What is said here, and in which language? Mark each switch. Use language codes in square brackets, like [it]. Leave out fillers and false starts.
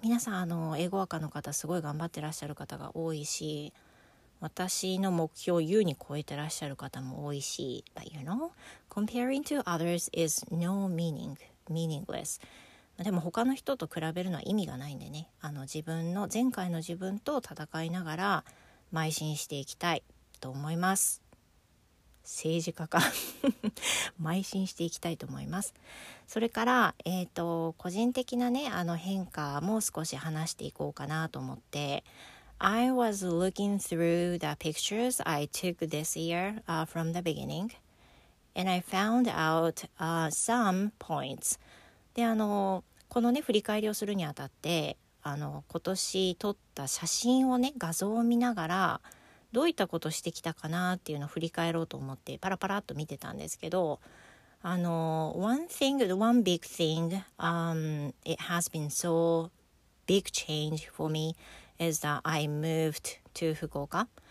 [ja] 皆さん英語科の方すごい頑張ってらっしゃる方が多いし、私の目標を優に超えてらっしゃる方も多いし、 [en] But you know, comparing to others is no meaning, meaningless. [ja] でも他の人と比べるのは意味がないんでね、自分の前回の自分と戦いながら邁進していきたいと思います。政治家か邁進していきたいと思います。それから、個人的なね、変化も少し話していこうかなと思って、 [en] I was looking through the pictures I took this year from the beginning, and I found out some points. [ja] で、このね、振り返りをするにあたって、今年撮った写真をね、画像を見ながら、どういったことしてきたかなっていうのを振り返ろうと思って、パラパラっと見てたんですけど、 [en] one big thing, it has been so big change for me,is that I moved to Fukuoka.